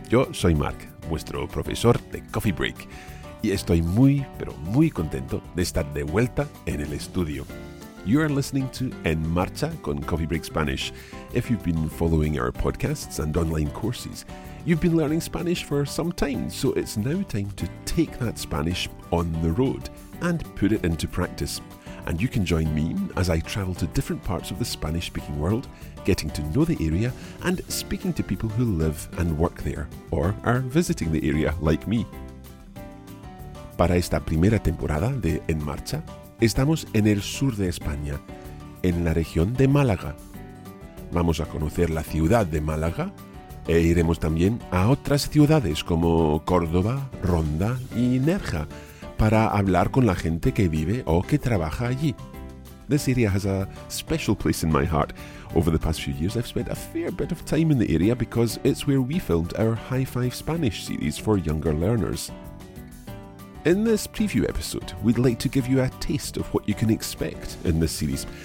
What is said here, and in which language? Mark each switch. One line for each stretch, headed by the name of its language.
Spanish: Yo soy Mark, vuestro profesor de Coffee Break, y estoy muy, pero muy contento de estar de vuelta en el estudio.
English: You are listening to En Marcha con Coffee Break Spanish. If you've been following our podcasts and online courses, you've been learning Spanish for some time, so it's now time to take that Spanish on the road and put it into practice. And you can join me as I travel to different parts of the Spanish-speaking world, getting to know the area and speaking to people who live and work there or are visiting the area like me.
Spanish: Para esta primera temporada de En Marcha, estamos en el sur de España, en la región de Málaga. Vamos a conocer la ciudad de Málaga e iremos también a otras ciudades como Córdoba, Ronda y Nerja para hablar con la gente que vive o que trabaja allí.
English: This area has a special place in my heart. Over the past few years, I've spent a fair bit of time in the area because it's where we filmed our High Five Spanish series for younger learners. In this preview episode, we'd like to give you a taste of what you can expect in this series.